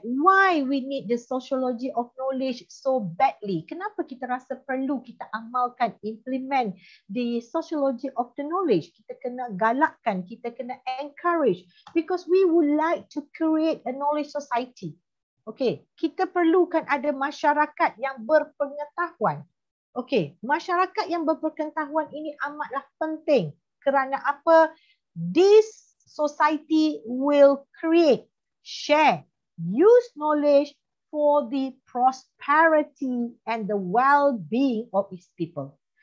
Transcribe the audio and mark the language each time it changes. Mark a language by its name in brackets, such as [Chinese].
[English] Why we need the sociology of knowledge so badly? [Malay] Kenapa kita rasa perlu kita amalkan, [English] implement the sociology of the knowledge? [Malay] Kita kena galakkan, kita kena [English] encourage. Because we would like to create a knowledge society. [Malay] Okay, kita perlukan ada masyarakat yang berpengetahuan. Okay, masyarakat yang berpengetahuan ini amatlah penting. Kerana apa? [English] This society will create, share, use knowledge for the prosperity and the well-being of its people.